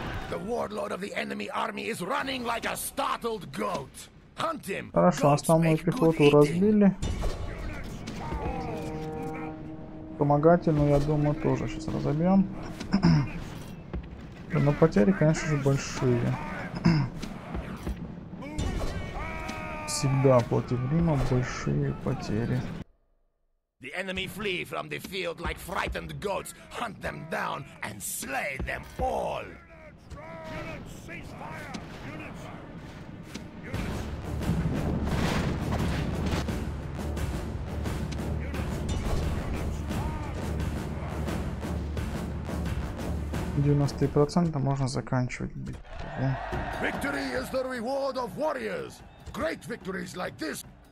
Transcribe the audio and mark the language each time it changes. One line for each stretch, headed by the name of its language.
English: The warlord of the enemy army is running like a startled goat. Hunt him.
Russian: Хорошо, основную пехоту разбили. Помогательную, я думаю, тоже сейчас разобьем. Но потери, конечно же, большие. Всегда против Рима большие потери.
English: The enemy flee from the field like frightened goats. Hunt them down and slay them all. Units, cease fire! Units! Units! Units!
Russian: 90% можно заканчивать битву.
English: Victory is the reward of warriors. Great victories like this.